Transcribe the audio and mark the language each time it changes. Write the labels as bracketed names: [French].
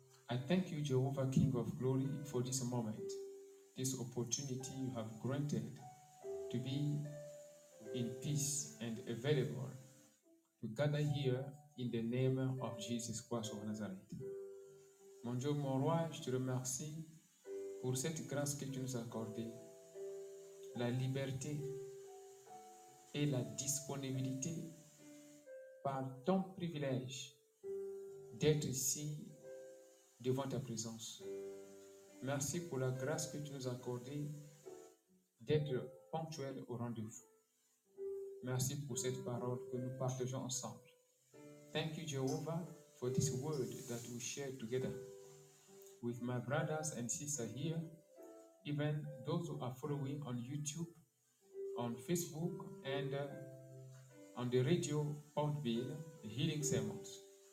[English] I thank you, Jehovah, King of Glory, for this moment. This opportunity you have granted to be in peace and available to gather here in the name of Jesus Christ of Nazareth. [French] Mon Dieu, mon roi, je te remercie pour cette grâce que tu nous as accordée, la liberté et la disponibilité par ton privilège d'être ici devant ta présence. Merci pour la grâce que tu nous as accordée d'être ponctuel au rendez-vous. Merci pour cette parole que nous partageons ensemble. [English] Thank you, Jehovah, for this word that we share together with my brothers and sisters here, even those who are following on YouTube, on Facebook, and on the radio, Portville, Healing Sermons.